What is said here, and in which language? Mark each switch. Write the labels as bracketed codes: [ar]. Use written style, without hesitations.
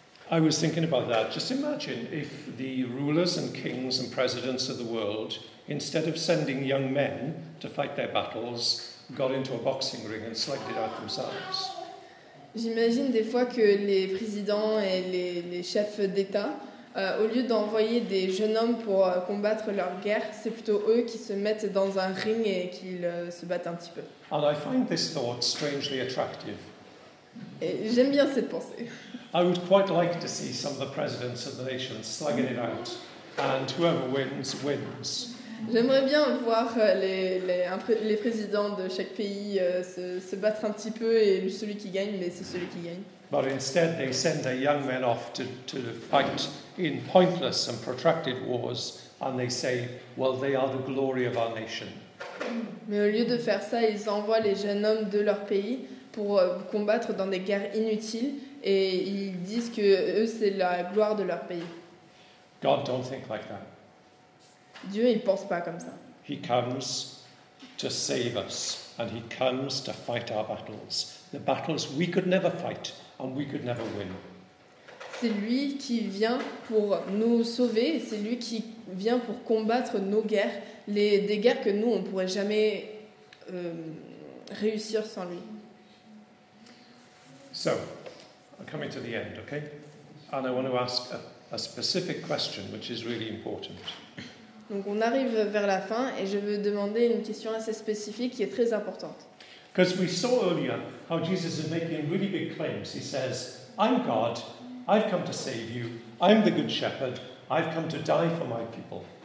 [en] I was thinking about that. Just imagine if the rulers and kings and presidents of the world, instead of sending young men to fight their battles, got into a boxing ring and slugged it out themselves. [fr] J'imagine des fois que les présidents et les chefs d'État, au lieu d'envoyer des jeunes hommes pour combattre leur guerre, c'est plutôt eux qui se mettent dans un ring et qu'ils se battent un petit peu. [en] And I find this thought strangely attractive. [fr] Et j'aime bien cette pensée. [en] I would quite like to see some of the presidents of the nations slugging it out, and whoever wins, wins. [fr] J'aimerais bien voir les présidents de chaque pays se battre un petit peu et celui qui gagne, mais c'est celui qui gagne. [en] But instead, they send their young men off to fight in pointless and protracted wars, and they say, "Well, they are the glory of our nation." [fr] Mais au lieu de faire ça, ils envoient les jeunes hommes de leur pays pour combattre dans des guerres inutiles, et ils disent que eux, c'est la gloire de leur pays. [en] God don't think like that. [fr] Dieu, il pense pas comme ça. [en] He comes to save us, and he comes to fight our battles, the battles we could never fight and we could never win. [fr] C'est lui qui vient pour nous sauver, et c'est lui qui vient pour combattre nos guerres, des guerres que nous on pourrait jamais réussir sans lui. [en] So, I'm coming to the end, okay? And I want to ask a specific question which is really important. [fr] Donc on arrive vers la fin et je veux demander une question assez spécifique qui est très importante. [en] Because we saw earlier how Jesus is making really big claims. He says, "I'm God. I've come to save you. I'm the good shepherd. I've come to die for my people."